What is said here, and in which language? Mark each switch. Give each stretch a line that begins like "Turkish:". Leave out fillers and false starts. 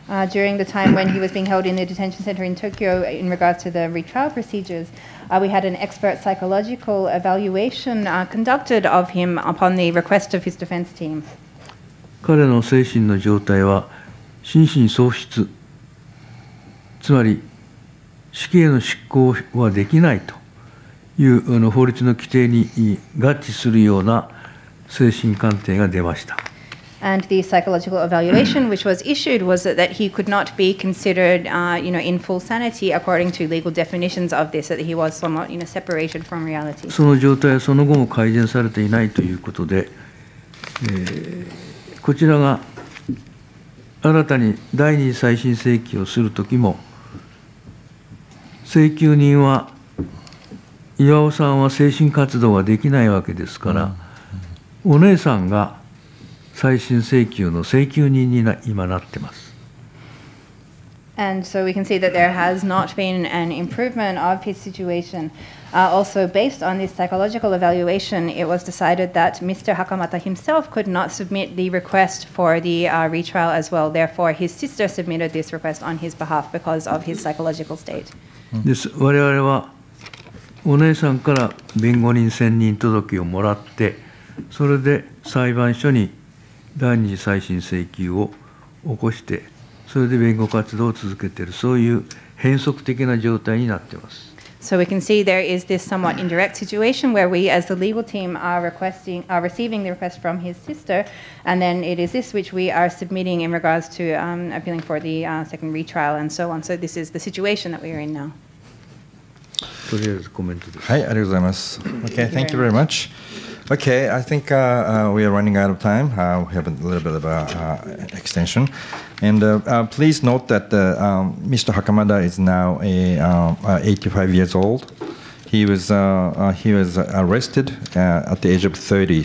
English: During the time when he was being held in the detention center in Tokyo in regards to the retrial procedures, we had an expert psychological evaluation conducted of him upon the request of his defense team.
Japanese: 彼の精神の状態は心神喪失、つまり死刑の執行はできないという法律の規定に合致するような精神鑑定が出ました。
English: And the psychological evaluation which was issued was that he could not be considered, you know, in full sanity according to legal definitions of this, that he was somewhat, you know, separated from reality.
Japanese: その状態はその後も改善されていないということで、こちらが新たに第二次再審請求をするときも、請求人は岩尾さんは精神活動ができないわけですから、お姉さんが再審請求の請求人に今なってます。
English: And so we can see that there has not been an improvement of his situation. Also, based on this psychological evaluation, it was decided that Mr. Hakamata himself could not submit the request for the retrial as well. Therefore, his sister submitted this request on his behalf because of his psychological state.
Japanese: です。我々はお姉さんから弁護人選任届をもらって、それで裁判所に第二次再審請求を起こして、それで弁護活動を続けている、そういう変則的な状態になっています。
English: So we can see there is this somewhat indirect situation where we, as the legal team, are requesting, are receiving the request from his sister, and then it is this which we are submitting in regards to appealing for the second retrial and so on. So this is the situation that we are in now.
Japanese: とりあえずコメントです。はい、ありがとうございます。
English: Okay, thank you very much. Okay, I think we are running out of time. We have a little bit of extension. And please note that Mr. Hakamada is now 85 years old. He was arrested at the age of 30.